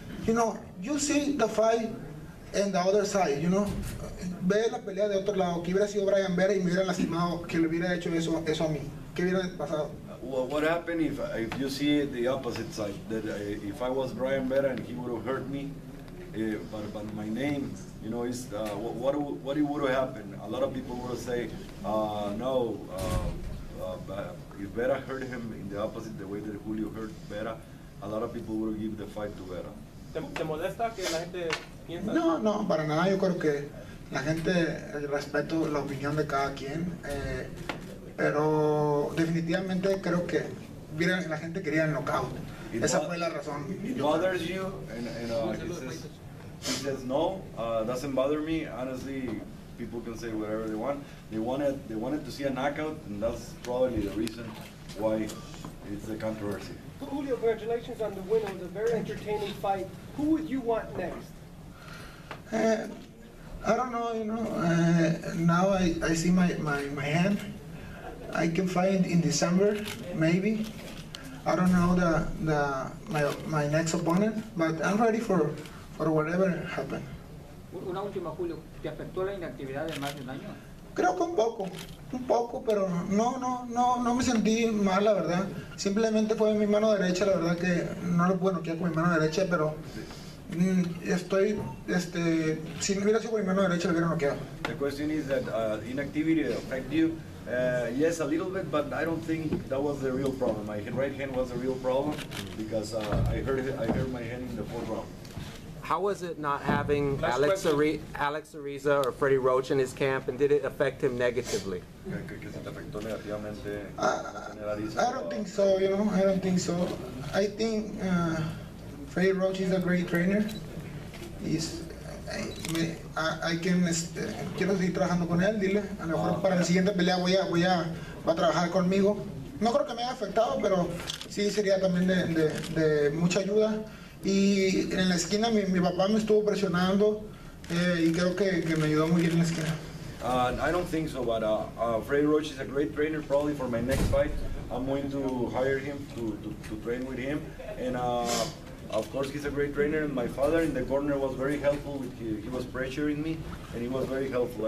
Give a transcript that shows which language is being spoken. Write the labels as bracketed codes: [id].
[en] You know, you see the fight and the other side, you know. [es] Ve la pelea de otro lado, que hubiera sido Bryan Vera y me hubiera lastimado, que le hubiera hecho eso a mí. ¿Qué hubiera pasado? [en] Well, what happened if you see the opposite side, that if I was Bryan Vera and he would have hurt me, but my name, you know, is what it would have happened? A lot of people would have said, but if Vera hurt him in the opposite, the way that Julio hurt Vera, a lot of people would have given the fight to Vera. [es] ¿Te molesta que la gente piensa? No, para nada. Yo creo que la gente, el respeto, la opinión de cada quien, pero definitivamente creo que la gente quería el knockout. Esa fue la razón. [en] It bothers you, and he says no, doesn't bother me. Honestly, people can say whatever they want. They wanted to see a knockout, and that's probably the reason why it's a controversy. Julio, congratulations on the win. It was a very entertaining fight. Who would you want next? I don't know, you know. Now I see my hand. I can fight in December, maybe. I don't know my next opponent, but I'm ready for whatever happened. [es] Una última, Julio. ¿Te afectó la inactividad de más de un año? Creo que un poco, pero no me sentí mal, la verdad. Simplemente fue mi mano derecha, la verdad que no lo puedo noquear con mi mano derecha, pero estoy, si no hubiera sido con mi mano derecha, lo hubiera noqueado. [en] The question is that inactivity affect you? Yes, a little bit, but I don't think that was the real problem. My right hand was the real problem, because I hurt my hand in the fourth round. How was it not having Alex Ariza or Freddie Roach in his camp, and did it affect him negatively? I don't think so, you know, I don't think so. I think Freddie Roach is a great trainer. [es] Quiero seguir trabajando con él, dile. A lo mejor para la siguiente pelea va a trabajar conmigo. No creo que me haya afectado, pero sí sería también de mucha ayuda. Y en la esquina mi papá me estuvo presionando y creo que me ayudó muy bien en la esquina. [en] I don't think so, but Freddie Roach is a great trainer. Probably for my next fight, I'm going to hire him to train with him. And of course, he's a great trainer. And my father in the corner was very helpful. He was pressuring me, and he was very helpful.